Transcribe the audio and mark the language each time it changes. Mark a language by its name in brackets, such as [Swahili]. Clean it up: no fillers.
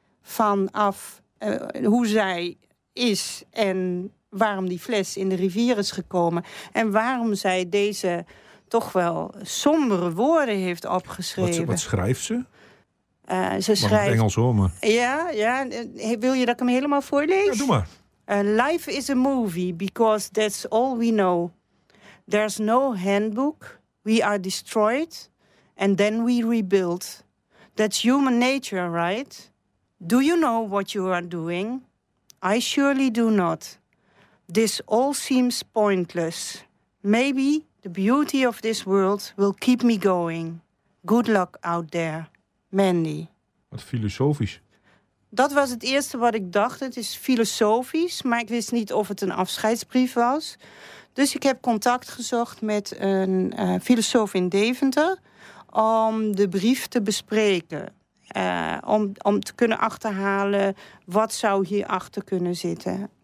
[Dutch] Vanaf hoe zij is en waarom die fles in de rivier is gekomen. En waarom zij deze toch wel sombere woorden heeft opgeschreven. Wat schrijft ze? Ze schrijft... Engels hoor, maar. Ja. Wil je dat ik hem helemaal voorlees? Ja, doe maar. [English] Life is a movie because that's all we know. There's no handbook. We are destroyed and then we rebuild. That's human nature, right? Do you know what you are doing? I surely do not. This all seems pointless. Maybe the beauty of this world will keep me going. Good luck out there, Mandy. [Dutch] Wat filosofisch. Dat was het eerste wat ik dacht. Het is filosofisch, maar ik wist niet of het een afscheidsbrief was. Dus ik heb contact gezocht met een filosoof in Deventer om de brief te bespreken. Om te kunnen achterhalen wat zou hierachter kunnen zitten.